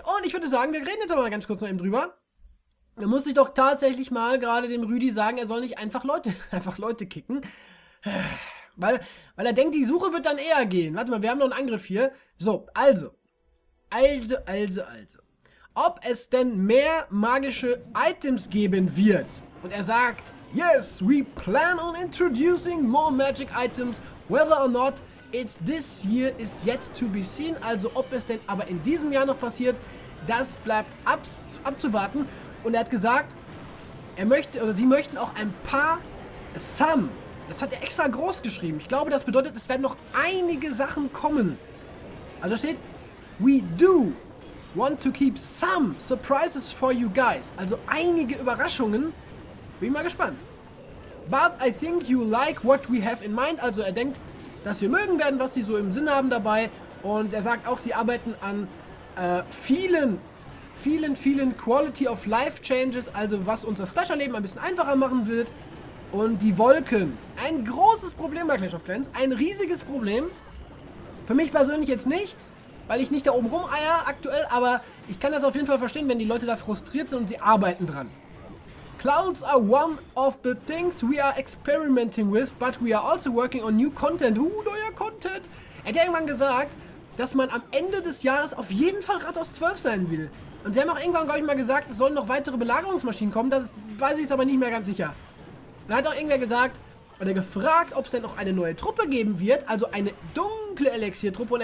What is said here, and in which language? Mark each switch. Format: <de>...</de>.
<de>Und ich würde sagen, wir reden jetzt aber ganz kurz noch eben drüber. Da muss ich doch tatsächlich mal gerade dem Rüdi sagen, er soll nicht einfach Leute kicken. Weil er denkt, die Suche wird dann eher gehen. Warte mal, wir haben noch einen Angriff hier. So, also. Also. Ob es denn mehr magische Items geben wird. Und er sagt,</de> <en>yes, we plan on introducing more magic items. Whether or not it's this year is yet to be seen.</en> <de>Also ob es denn aber in diesem Jahr noch passiert, das bleibt abzuwarten. Und er hat gesagt, er möchte oder sie möchten auch ein paar some. Das hat er extra groß geschrieben. Ich glaube, das bedeutet, es werden noch einige Sachen kommen. Also steht,</de> <en>we do want to keep some surprises for you guys.</en> <de>Also einige Überraschungen. Bin ich mal gespannt.</de> <en>But I think you like what we have in mind.</en> <de>Also er denkt, dass wir mögen werden, was sie so im Sinn haben dabei. Und er sagt auch, sie arbeiten an vielen Quality of Life Changes. Also was unser Splash-Erleben ein bisschen einfacher machen wird. Und die Wolken. Ein großes Problem bei Clash of Clans. Ein riesiges Problem. Für mich persönlich jetzt nicht. Weil ich nicht da oben rumeier aktuell. Aber ich kann das auf jeden Fall verstehen, wenn die Leute da frustriert sind und sie arbeiten dran.</de> <en>Clouds are one of the things we are experimenting with, but we are also working on new content.</en> <de>Neuer Content. Er hat ja irgendwann gesagt, dass man am Ende des Jahres auf jeden Fall Rathaus 12 sein will. Und sie haben auch irgendwann, glaube ich, mal gesagt, es sollen noch weitere Belagerungsmaschinen kommen. Das weiß ich jetzt aber nicht mehr ganz sicher. Dann hat auch irgendwer gesagt, oder gefragt, ob es denn noch eine neue Truppe geben wird, also eine dunkle Elixier-Truppe.</de>